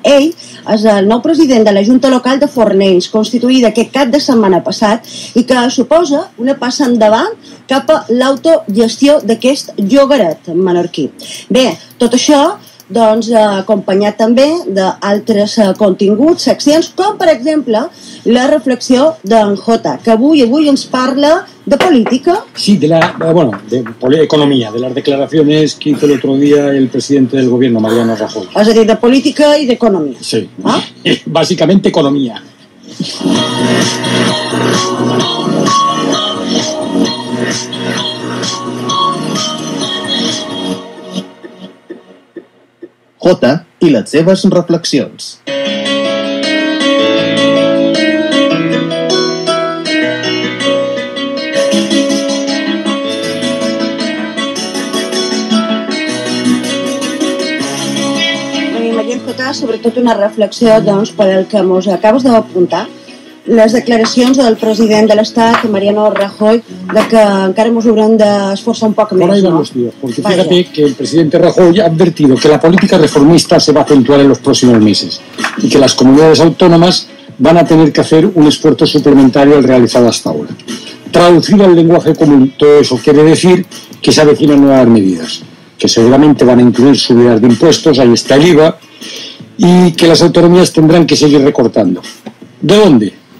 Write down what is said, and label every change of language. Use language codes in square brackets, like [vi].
[ca] Ell és el nou president de la Junta Local de Fornells, constituïda aquest cap de setmana passat, i que suposa una passa endavant cap a l'autogestió d'aquest llogaret menorquí. Bé, tot això, doncs, acompanyat també d'altres continguts, seccions, com per exemple la reflexió d'en Jota, que avui ens parla de política. [es] Sí, de la, bueno, de economía, de las declaraciones que hizo el otro día el presidente del gobierno, Mariano Rajoy. Es decir, de política y de economía. Sí, básicamente economía. [ca] Jota i les seves reflexions. M'imagino, Jota, sobretot una reflexió, doncs, per el que mos acabes d'apuntar, les declaracions del president de l'Estat, Mariano Rajoy, de que encara ens haurem d'esforçar un poc més. [es] Por ahí van los tíos, porque fíjate que el presidente Rajoy ha advertido que la política reformista se va a acentuar en los próximos meses y que las comunidades autónomas van a tener que hacer un esfuerzo suplementario al realizado hasta ahora. Traducido al lenguaje común, todo eso quiere decir que se avecinan nuevas medidas, que seguramente van a incluir subidas de impuestos, ahí está el IVA, y que las autonomías tendrán que seguir recortando. ¿De dónde?